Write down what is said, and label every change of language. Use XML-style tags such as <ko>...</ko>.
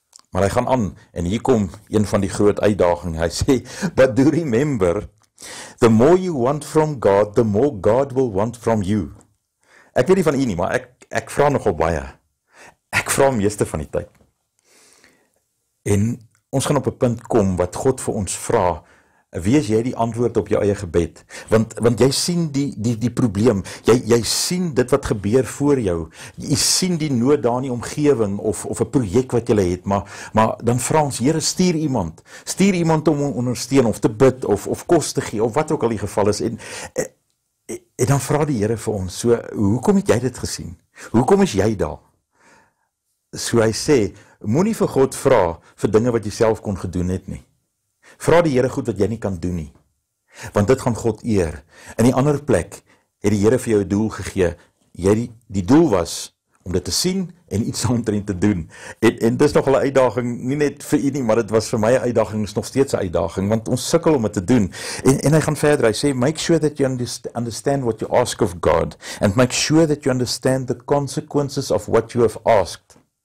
<af>Maar hy gaan aan, en hier kom een van die groot uitdaging. Hy sê,</af> <en>"But do remember, the more you want from God, the more God will want from you."</en> <af>Ek weet nie van u nie, maar ek vra nogal baie. Ek vra meeste van die tyd. En ons gaan op 'n punt kom wat God vir ons vra, wees jy die antwoord op jou eie gebed? Want jy sien die probleem, jy sien dit wat gebeur voor jou, jy sien die nood daar in die omgewing of 'n projek wat jy het, maar dan vra ons, Here, stuur iemand om ondersteun of te bid of kos te gee of wat ook al die geval is, en dan vra die Here vir ons, so, hoekom het jy dit gesien? Hoekom is jy daar? So hy sê, moenie vir God vra vir dinge wat jy self kon gedoen het nie. Vra die Here goed wat jy nie kan doen nie, want dit gaan God eer. In die ander plek het die Here vir jou 'n doel gegee. Jy die doel was om dit te sien en iets daaromtrent te doen. En dis nogal 'n uitdaging, nie net vir u nie, maar dit was vir my 'n uitdaging, is nog steeds 'n uitdaging, want ons sukkel om dit te doen. En hy gaan verder, hy sê,</af> <en>"Make sure that you understand what you ask of God, and make sure that you understand the consequences of what you have asked."</en>